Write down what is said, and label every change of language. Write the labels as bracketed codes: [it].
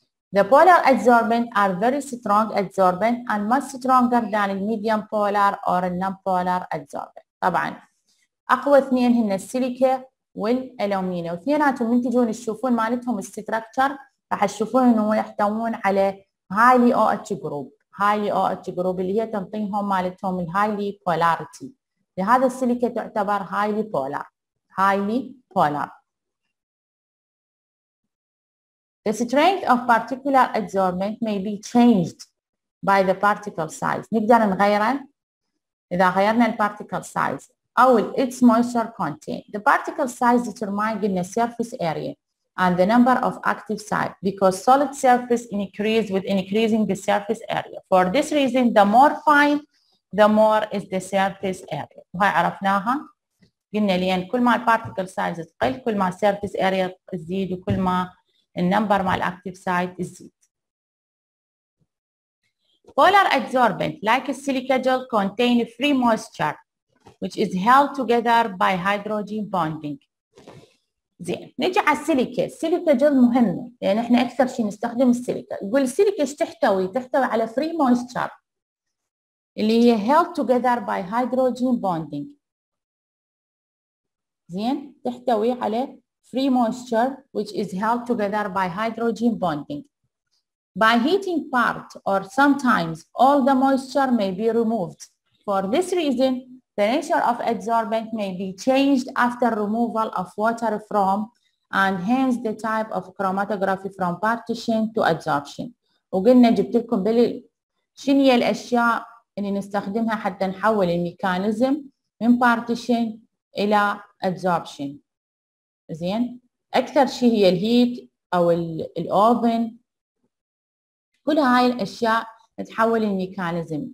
[en] The polar adsorbent are very strong adsorbent and much stronger than the medium polar or non-polar adsorbent. [ar] طبعا أقوى اثنين هن السيليكا والألومينيوم، واثنيناتهم من تجون تشوفون مالتهم الستركتشر راح تشوفون انهم يحتوون على هايلي او اتش جروب، هايلي او اتش جروب اللي هي تنطيهم مالتهم الهايلي بولاريتي. لهذا السيليكا تعتبر هايلي بولار، هايلي بولار. [en] The strength of particular adsorbent may be changed by the particle size. [ar] نقدر نغيره إذا غيرنا ال particle size أو [en] its moisture content. The particle size determines the surface area and the number of active sites because solid surface increases with increasing the surface area. For this reason, the more fine, the more is the surface area. [ar] وهي عرفناها. قلنا لأن كل ما ال particle size تقل كل ما surface area تزيد وكل ما النمبر مع الاكتيف سايت يزيد. [en] Polar adsorbent like a silica gel contain free moisture which is held together by hydrogen bonding. [ar] زين، نجي على السيليكا. السيليكا جل مهمة لان احنا اكثر شيء نستخدم السيليكا. يقول السيليكا ايش تحتوي؟ تحتوي على free moisture اللي هي [en] held together by hydrogen bonding. [ar] زين، تحتوي على [en] free moisture which is held together by hydrogen bonding. By heating part or sometimes all the moisture may be removed. For this reason, the nature of adsorbent may be changed after removal of water from and hence the type of chromatography from partition to adsorption. [ar] وقلنا جبت لكم بلي شنو هي الاشياء اللي نستخدمها حتى نحول الميكانيزم من partition الى adsorption. زين، اكثر شيء هي الهيت او الاوفن، كل هاي الاشياء تحول الميكانيزم.